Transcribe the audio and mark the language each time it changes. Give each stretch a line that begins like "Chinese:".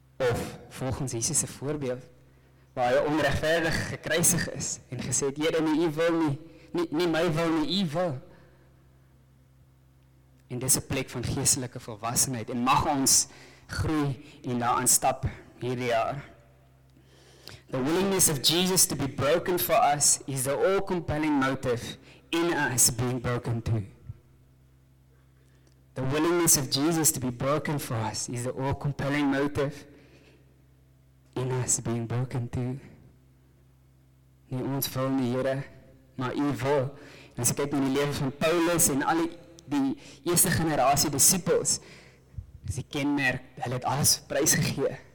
Afrikaans: Of volgens Jesus se voorbeeld, waar hy onregverdig gekruisig is en gesê het, Here, nie u wil nie, nie my wil nie, u wil. En dis 'n plek van geestelike volwassenheid en mag ons groei en daaraan stap hierdie jaar.
English: The willingness of Jesus to be broken for us is the all-compelling motive in us being broken too. The willingness of Jesus to be broken for us is the all-compelling motive in us being broken too.
Afrikaans: Nie ons wil nie, Here, maar U wil. En as ek kyk in die lewe van Paulus en al die eerste generasie disippels, is die kenmerk, hulle het alles prys gegee.